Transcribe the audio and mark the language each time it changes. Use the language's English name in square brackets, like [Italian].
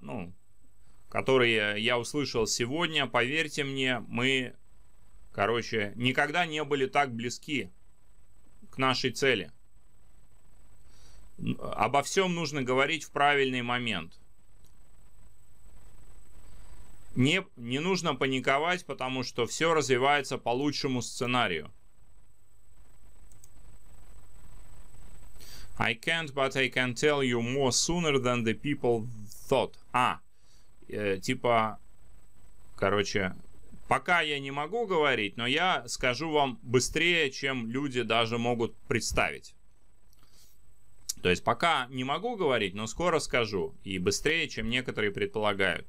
[Russian] Ну, которые я услышал сегодня, поверьте мне, мы, короче, никогда не были так близки к нашей цели. Обо всем нужно говорить в правильный момент. Не нужно паниковать, потому что все развивается по лучшему сценарию. [English] I can't, but I can tell you more sooner than the people thought. [Russian] А, типа, короче, пока я не могу говорить, но я скажу вам быстрее, чем люди даже могут представить. То есть пока не могу говорить, но скоро скажу. И быстрее, чем некоторые предполагают.